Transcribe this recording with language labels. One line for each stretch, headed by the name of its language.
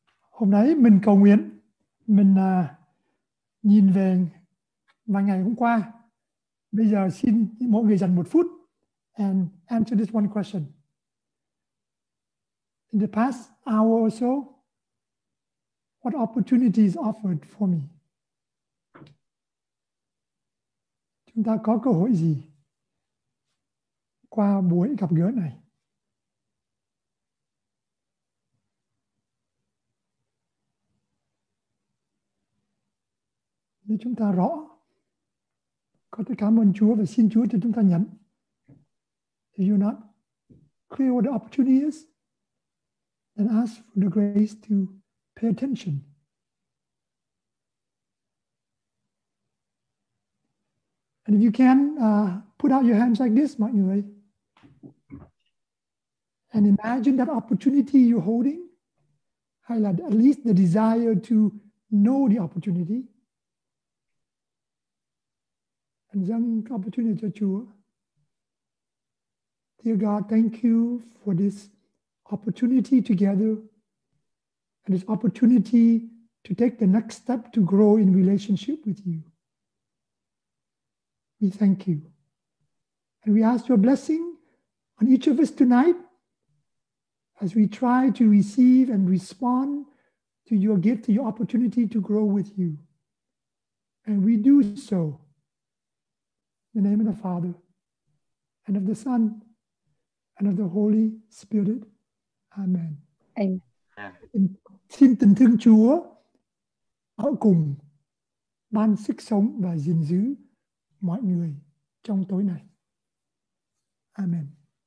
Vietnamese: Hôm nay mình cầu nguyện, mình nhìn về vài ngày hôm qua. Bây giờ xin mỗi người dành một phút
English: and answer this one question. In the past hour or so, what opportunities offered for me?
Vietnamese: Chúng ta có cơ hội gì qua buổi gặp gỡ này? Nếu chúng ta rõ, có thể cảm ơn Chúa và xin Chúa cho chúng ta nhận.
English: If you're not clear what the opportunity is, then ask for the grace to pay attention. And if you can, put out your hands like this,
Vietnamese: mọi người.
English: And imagine that opportunity you're holding,
Vietnamese: hay là
English: at least the desire to know the opportunity.
Vietnamese: And dâng opportunity cho Chúa.
English: Dear God, thank you for this opportunity together and this opportunity to take the next step to grow in relationship with you. We thank you. And we ask your blessing on each of us tonight as we try to receive and respond to your gift, to your opportunity to grow with you. And we do so in the name of the Father and of the Son and of the Holy Spirit. Amen. Amen.
Vietnamese: Xin tình thương Chúa ở cùng ban sức sống và gìn giữ mọi người trong tối nay. Amen.